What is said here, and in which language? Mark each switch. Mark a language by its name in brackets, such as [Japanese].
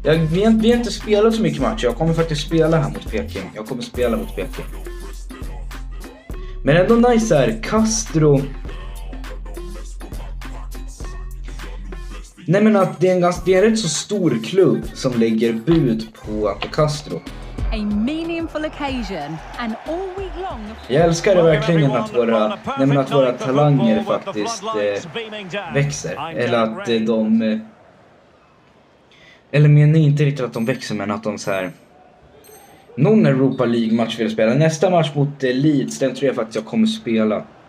[Swedish] Vi har inte spelat så mycket match. Jag kommer faktiskt spela här mot Peking. Jag kommer spela mot Peking. Men ändå nice här. Castro... Nej men att det är en rätt så stor klubb som lägger bud på Castro. [English] A meaningful occasion and all week long. [Swedish] Jag älskar det verkligen att våra, nej men att våra talanger faktiskt växer. Eller att de... Eller menar ni inte riktigt att de växer men att de så här... Någon Europa League-match vill spela. Nästa match mot Leeds, den tror jag faktiskt jag kommer spela.